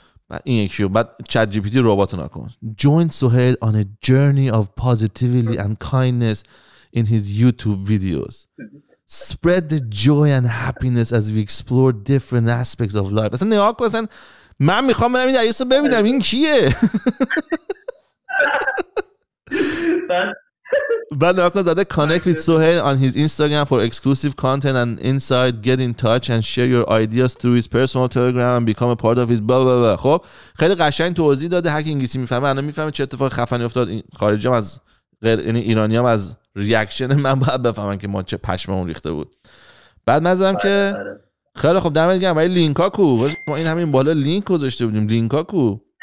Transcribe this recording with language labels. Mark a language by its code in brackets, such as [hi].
[fa] بعد این یکیو، بعد chat GPT رباتو نکن، [en] join Suhail on a journey of positivity and kindness in his YouTube videos, spread the joy and happiness as we explore different aspects of life. [fa] اصلا نگاه کن، اصلا من میخوام برم این دریاس رو ببینم این کیه. بعد نگاه کن زده [en] connect with Suhail on his Instagram for exclusive content and insight, get in touch and share your ideas through his personal telegram and become a part of his blah blah blah. [fa] خب خیلی قشنگ توضیح داده، هک انگلیسی میفهمه، الان میفهمه چه اتفاق خفنی افتاد خارجی هم از غیر ایرانی هم از ریاکشن من باید بفهمن که ما چه پشمامون ریخته بود. بعد من زدم که خیلی خب دمت گرم، ولی لینکا کو، ما این همین بالا لینک گذاشته بودیم، لینکا کو.